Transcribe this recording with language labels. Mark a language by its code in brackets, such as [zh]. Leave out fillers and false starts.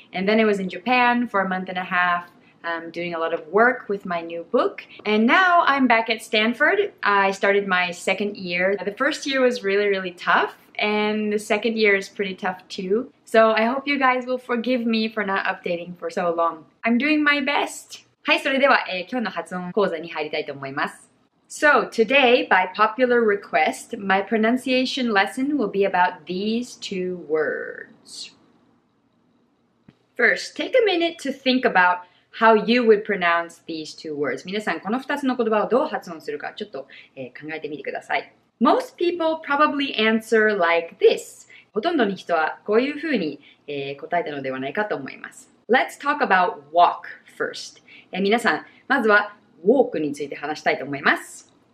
[en] And then I was in Japan for 1.5 months doing a lot of work with my new book. And now I'm back at Stanford. I started my second year. The first year was really, really tough. And the second year is pretty tough too. So I hope you guys will forgive me for not updating for so long. I'm doing my best. [ja] はい、それでは、今日の発音講座に入りたいと思います。 [en] So, today, by popular request, my pronunciation lesson will be about these two words. First, take a minute to think about how you would pronounce these two words. [ja] 皆さん、この2つの言葉をどう発音するか、ちょっと、考えてみてください。 [en] Most people probably answer like this. [ja] ほとんどの人はこういうふうに、答えたのではないかと思います。 [en] Let's talk about walk first. [ja] 皆さん、まずは walk について話したいと思います。